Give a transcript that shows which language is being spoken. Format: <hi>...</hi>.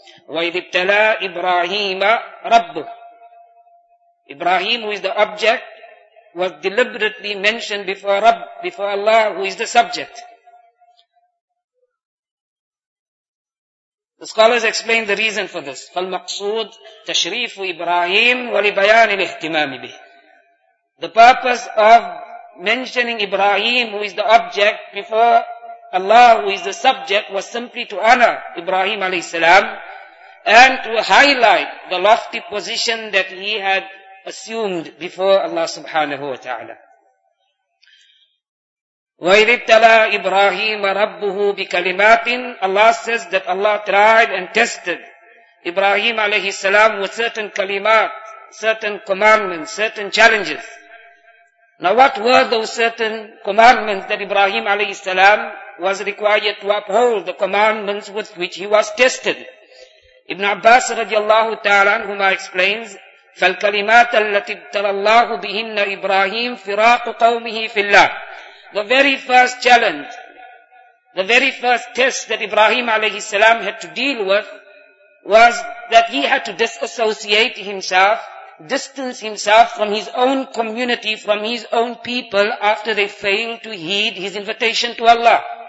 <ar>وَإِذِ ابْتَلَى إِبْرَاهِيمَ رَبُّهُ.</ar> <en>Ibrahim, who is the object, was deliberately mentioned before Rabb, before Allah, who is the subject. The scholars explain the reason for this.</en> <ar>فالمقصود تشريف إبراهيم ولبيان الاهتمام به.</ar> <en>The purpose of mentioning Ibrahim, who is the object, before Allah, who is the subject, was simply to honor Ibrahim alayhi salam and to highlight the lofty position that he had assumed before Allah subhanahu wa ta'ala.</en> <ar>وَإِذِ ابْتَلَى إِبْرَاهِيمَ رَبُّهُ بِكَلِمَاتٍ.</ar> <en>Allah says that Allah tried and tested Ibrahim alayhi salam with certain kalimat, certain commandments, certain challenges. Now what were those certain commandments that Ibrahim alayhi salam was required to uphold, the commandments with which he was tested? Ibn Abbas radiallahu ta'ala anhuma explains,</en> <ar>فَالْكَلِمَاتَ الَّتِي ابْتَلَى اللَّهُ بِهِنَّ إِبْرَاهِيمَ فِرَاقُ قَوْمِهِ فِي اللَّهِ.</ar> <en>The very first challenge, the very first test that Ibrahim alayhi salam had to deal with was that he had to disassociate himself, distance himself from his own community, from his own people, after they failed to heed his invitation to Allah.</en>